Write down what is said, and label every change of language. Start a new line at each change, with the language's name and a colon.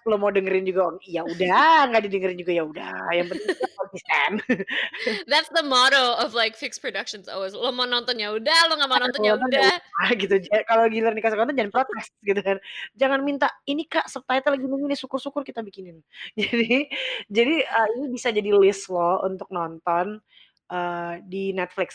Indonesian: lo mau dengerin juga ya udah, nggak didengerin juga ya udah, yang penting konsisten.
English: That's the motto of like Fix Productions always.
Indonesian: Lo mau nonton ya udah, lo nggak mau nonton ya udah gitu. Kalau giler nih kasih konten, jangan protes gitu kan, jangan minta ini kak subtitle lagi nunggu nih, syukur kita bikinin. Jadi ini bisa jadi list lo untuk nonton di Netflix.